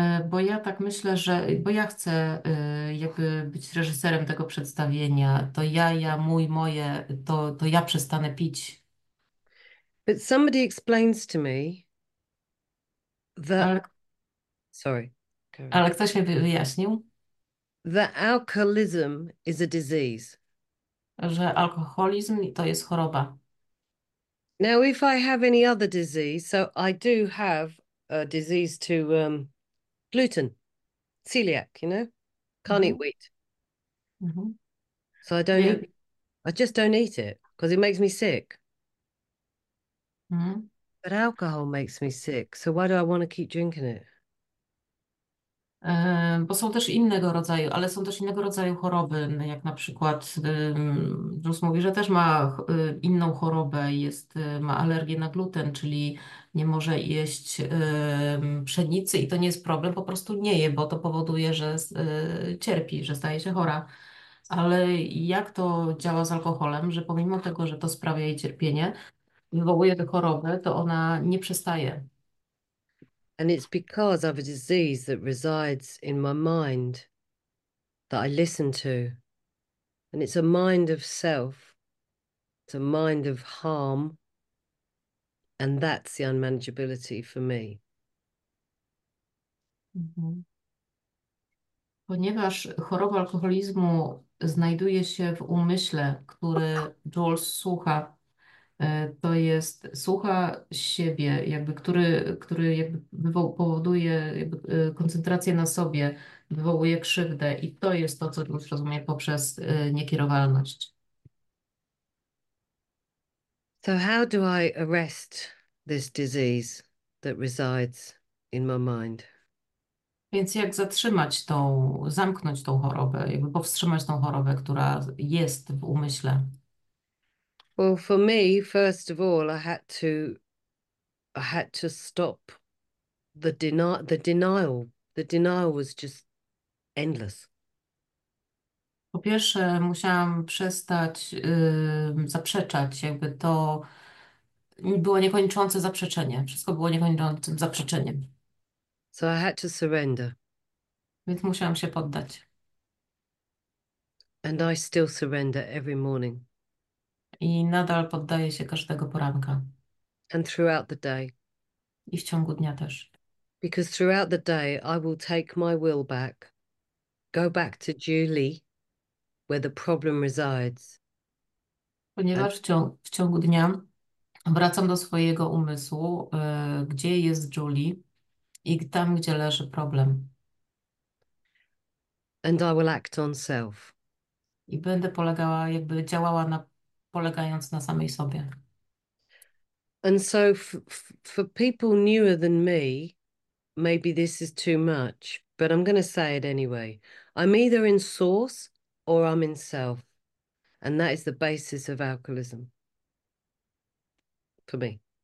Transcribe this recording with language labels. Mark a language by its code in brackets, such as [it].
[pl] Bo ja tak myślę, że bo ja chcę jakby być reżyserem tego przedstawienia. To ja, mój, moje, to ja przestanę pić. [en] But somebody explains to me that. [pl] Ale [en] Sorry, carry on. [pl] ktoś mi wyjaśnił, [en] That alcoholism is a disease. [pl] że alkoholizm to jest choroba. [en] Now, if I have any other disease, so I do have a disease to gluten, celiac, you know, can't eat wheat. So I don't eat, I just don't eat it because it makes me sick. But alcohol makes me sick, so why do I want to keep drinking it? [pl] Bo są też innego rodzaju, ale są też innego rodzaju choroby, jak na przykład Jus mówi, że też ma inną chorobę, ma alergię na gluten, czyli nie może jeść pszenicy i to nie jest problem, po prostu nie je, bo to powoduje, że cierpi, że staje się chora. Ale jak to działa z alkoholem, że pomimo tego, że to sprawia jej cierpienie, wywołuje tę chorobę, to ona nie przestaje. [en] And it's because I have a disease that resides in my mind that I listen to. And it's a mind of self. It's a mind of harm. And that's the unmanageability for me. [pl] Ponieważ choroba alkoholizmu znajduje się w umyśle, który Jules słucha, to jest słucha siebie, jakby który jakby powoduje jakby koncentrację na sobie, wywołuje krzywdę, i to jest to, co Jules rozumie poprzez niekierowalność. [en] So how do I arrest this disease that resides in my mind? [pl] Więc jak zamknąć tą chorobę, jakby powstrzymać tą chorobę, która jest w umyśle? [en] Well, for me, first of all, I had to stop the denial. The denial was just endless. [pl] Po pierwsze, musiałam przestać zaprzeczać, jakby to było niekończące zaprzeczenie. Wszystko było niekończącym zaprzeczeniem. [en] So I had to surrender. [pl] Więc musiałam się poddać. [en] And I still surrender every morning. [pl] I nadal poddaję się każdego poranka. [en] And throughout the day. [pl] I w ciągu dnia też. [en] Because throughout the day, I will take my will back, go back to Julie, where the problem resides. [pl] Ponieważ w ciągu dnia wracam do swojego umysłu, gdzie jest Julie i tam, gdzie leży problem. [en] And I will act on self. [pl] I będę polegała, jakby działała polegając na samej sobie. [en] And so for people newer than me, maybe this is too much, but I'm going to say it anyway. I'm either in source or I'm in self. And that is the basis of alcoholism for me.